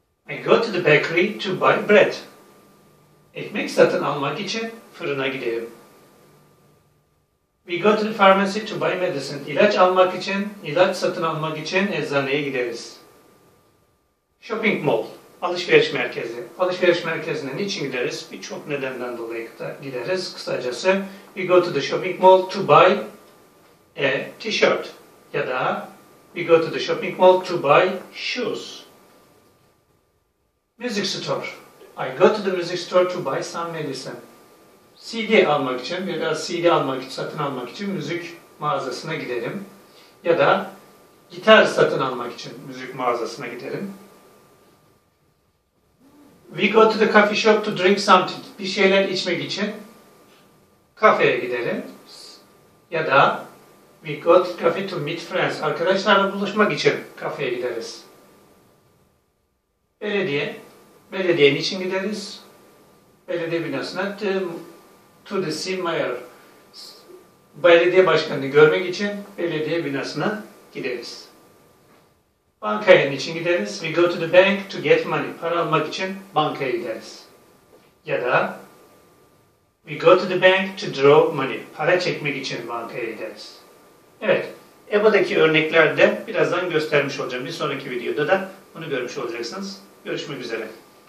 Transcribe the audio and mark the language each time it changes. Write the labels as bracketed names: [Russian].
[English] I go to the bakery to buy bread. [Turkish] Ekmek satın almak için fırına gidiyorum. [English] We go to the pharmacy to buy medicine. [Turkish] İlaç almak için, ilaç satın almak için eczaneye gideriz. Shopping mall, alışveriş merkezi. Alışveriş merkezine niçin gideriz? Birçok nedenden dolayı gideriz. Kısacası, [English] we go to the shopping mall to buy a t-shirt. [Turkish] Ya da, [English] we go to the shopping mall to buy shoes. Music store. I go to the music store to buy some medicine. [Turkish] CD almak için, biraz CD almak için, satın almak için müzik mağazasına gidelim. Ya da Gitar satın almak için müzik mağazasına gidelim. [English] We go to the coffee shop to drink something. [Turkish] Bir şeyler içmek için kafeye gidelim. Ya da [English] we go to coffee to meet friends. [Turkish] Arkadaşlarla buluşmak için kafeye gideriz. Belediye. Belediye için gideriz? Belediye binasına [English] to the city mayor. [Turkish] Belediye başkanını görmek için belediye binasına gideriz. Bankaya niçin gideriz? [English] We go to the bank to get money. [Turkish] Para almak için bankaya gideriz. Ya da [English] we go to the bank to draw money. [Turkish] Para çekmek için bankaya gideriz. Evet, EBA'daki örneklerde birazdan göstermiş olacağım. Bir sonraki videoda da bunu görmüş olacaksınız. Görüşmek üzere.